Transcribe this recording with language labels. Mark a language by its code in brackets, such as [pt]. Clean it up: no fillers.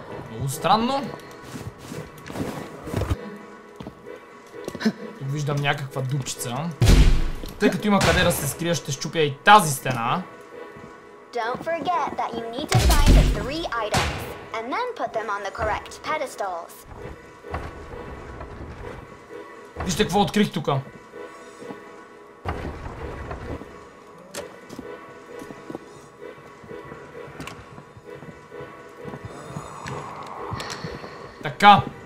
[bg] Много странно. Тук виждам някаква дупчица. Тъй като има къде да се скрия, ще счупя и тази стена. [en] Don't forget that you need to find the three items and then put them on the correct pedestals. [bg] Вижте какво открих тука. Така.